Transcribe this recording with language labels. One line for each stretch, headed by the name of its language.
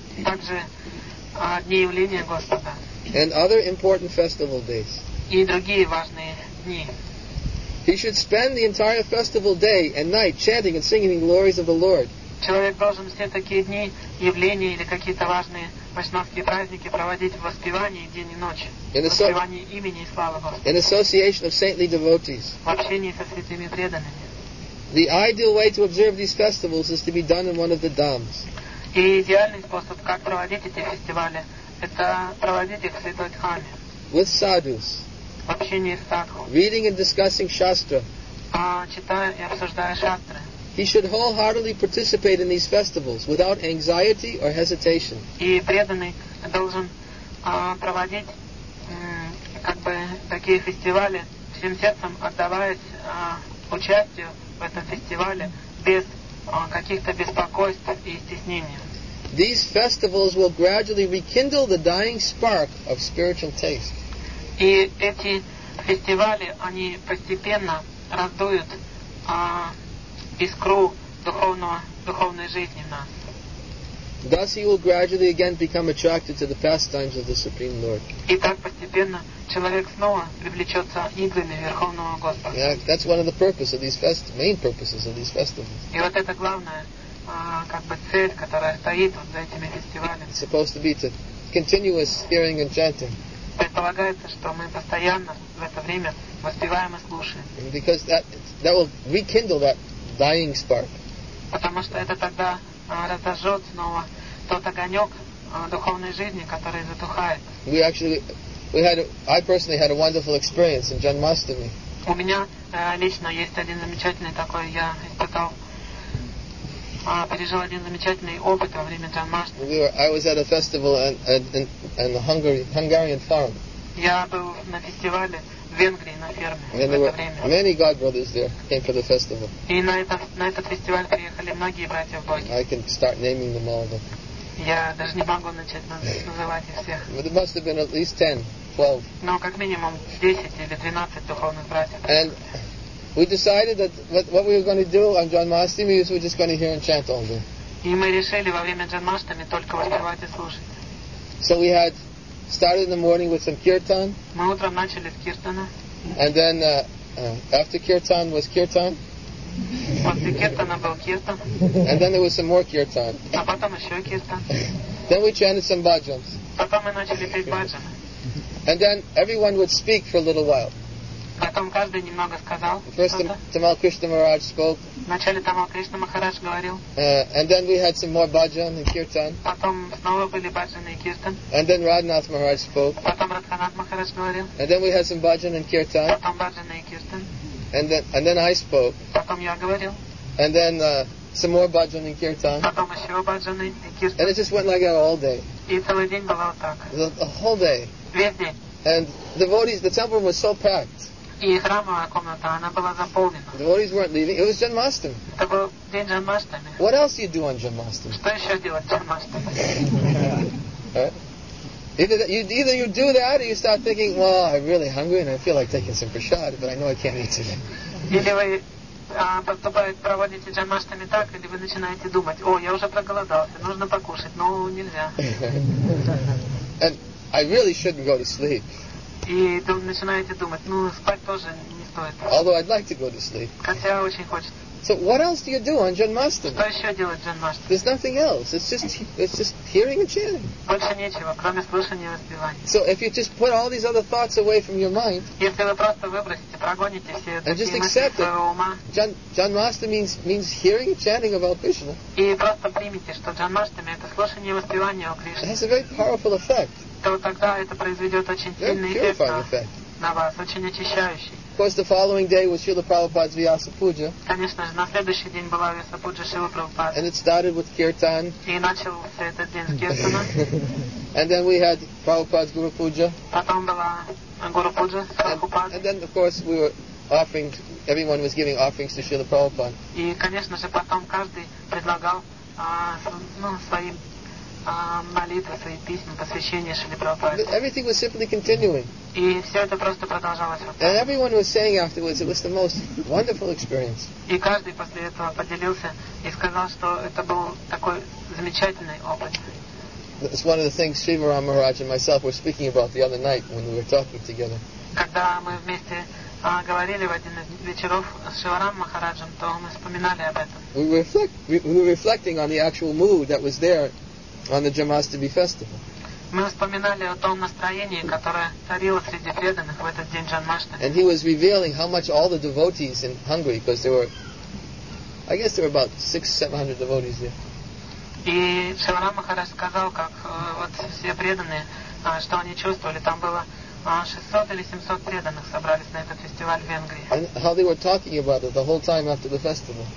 Russian: Также дни явления Господа.
English: And other important festival days.
Russian: И другие важные дни.
English: He should spend the entire festival day and night chanting and singing the glories of the Lord.
Russian: Человек должен все такие дни, явления или какие-то важные вайшнавские праздники проводить в воспевании день и ночь, воспевании имени и славы Бога.
English: In association of saintly devotees.
Russian: В общении со святыми преданными.
English: The ideal way to observe these festivals is to be done in one of the dhams.
Russian: И идеальный способ, как проводить эти фестивали, это проводить их в святой дхаме.
English: With sadhus.
Russian: В общении с садху.
English: Reading and discussing shastra.
Russian: Читая и обсуждая шастры.
English: He should wholeheartedly participate in these festivals without anxiety or hesitation.
Russian: И преданный должен проводить как бы такие фестивали всем сердцем, отдаваясь участию в этом фестивале без каких-то беспокойств и стеснений.
English: These festivals will gradually rekindle the dying spark of spiritual taste.
Russian: И эти фестивали они постепенно раздуют искру духовной жизни в нас.
English: Thus he will gradually again become attracted to the pastimes of the Supreme Lord.
Russian: И так постепенно человек снова привлечется играми Верховного Господа.
English: Yeah, that's one of the purposes of these main purposes of these festivals.
Russian: И вот это главная как бы цель, которая стоит вот за этими фестивалями.
English: It's supposed to be to continuous hearing and chanting.
Russian: Предполагается, что мы постоянно в это время воспеваем и слушаем.
English: And because that will rekindle that dying spark.
Russian: Потому что это тогда разожжет снова тот огонек духовной жизни, который затухает.
English: I personally had a wonderful experience in Janmashtami.
Russian: У меня лично есть один замечательный такой, я испытал, пережил один замечательный опыт во время Janmashtami.
English: I was at a festival in the Hungarian farm.
Russian: Я был на фестивале в Венгрии на ферме в это время.
English: Many God brothers there came for the festival.
Russian: И на этот фестиваль приехали многие братья Боги.
English: I can start naming them all.
Russian: Я даже не могу начать называть их всех.
English: But there must have been at least 10, 12.
Russian: Но как минимум 10 или 12 духовных братьев.
English: And we decided that what we were going to do on Janmashtami is we're just going to hear and chant all day.
Russian: И мы решили во время Janmashtami только воспевать и слушать.
English: So we had started in the morning with some kirtan.
Russian: Мы утром начали с киртана.
English: And then after kirtan was kirtan.
Russian: После киртана был киртан.
English: And then there was some more kirtan.
Russian: А потом еще киртан.
English: Then we chanted some bhajans.
Russian: Потом мы начали петь баджан.
English: And then everyone would speak for a little while.
Russian: Потом каждый немного сказал.
English: First Tamal Krishna Maharaj spoke.
Russian: Вначале Тамал Кришна Махарадж говорил.
English: And then we had some more bhajan and kirtan.
Russian: Потом снова были баджаны и киртан.
English: And then Radhanath Maharaj spoke.
Russian: Потом Радханат Махарадж говорил.
English: And then we had some bhajan and kirtan.
Russian: Потом баджаны и киртан.
English: And then I spoke.
Russian: Потом я говорил.
English: And then some more bhajan and kirtan.
Russian: Потом еще баджаны и киртан.
English: And it just went like that all day.
Russian: И целый день было вот так.
English: The whole day.
Russian: Весь день.
English: And the devotees, the temple was so packed.
Russian: И храмовая комната, она была заполнена.
English: The devotees weren't leaving. It was Janmashtami.
Russian: Это был день Janmashtami.
English: What else do you do on Janmashtami?
Russian: Что еще делать Janmashtami?
English: Either you do that, or you start thinking, well, I'm really hungry and I feel like taking some prasad, but I know I can't eat today.
Russian: Или вы проводите Janmashtami так, или вы начинаете думать, о, я уже проголодался, нужно покушать, но нельзя.
English: And I really shouldn't go to sleep.
Russian: И начинаете думать, ну спать тоже не стоит.
English: Although I'd like to go to sleep.
Russian: Хотя очень хочется.
English: So what else do you do on Janmashtami?
Russian: Что еще делать Janmashtami?
English: There's nothing else. It's just hearing and chanting.
Russian: Больше нечего, кроме слушания и воспевания.
English: So if you just put all these other thoughts away from your mind.
Russian: Если вы просто выбросите, прогоните все эти мысли из своего ума.
English: Janmashtami means hearing and chanting about Krishna.
Russian: И просто примите, что Janmashtami это слушание и воспевание о Кришне.
English: It has a very powerful effect.
Russian: То тогда это произведет очень сильный эффект на вас, очень очищающий.
English: Of course, the following day was Srila Prabhupada's Vyasa Puja.
Russian: Конечно же, на следующий день была Vyasa Puja Srila Prabhupada.
English: And it started with kirtan.
Russian: И начался этот день с киртана.
English: And then we had Prabhupada's Guru Puja.
Russian: Потом была Guru Puja Prabhupada.
English: And then, of course, we were offering. Everyone was giving offerings to Srila Prabhupada.
Russian: И, конечно же, потом каждый предлагал свои молитвы, свои письма, посвящения Шили Прабхупаде.
English: Everything was simply continuing.
Russian: И все это просто продолжалось вот так.
English: And everyone was saying afterwards it was the most wonderful experience.
Russian: И каждый после этого поделился и сказал, что это был такой замечательный опыт.
English: That's one of the things Srimaram Maharaj and myself were speaking about the other night when we were talking together.
Russian: Когда мы вместе говорили в один из вечеров с Шиварам Махараджем, то мы вспоминали об этом.
English: We were reflecting on the actual mood that was there on the Jamashtami festival.
Russian: Мы вспоминали о том настроении, которое царило среди преданных в этот день Джанмаштами.
English: And he was revealing how much all the devotees in Hungary, because there were, I guess there were about 600-700 devotees there.
Russian: И Шиварам Махарадж сказал, как вот все преданные, что они чувствовали. Там было 600 или 700 преданных собрались на этот фестиваль в Венгрии.
English: And how they were talking about it the whole time after the festival.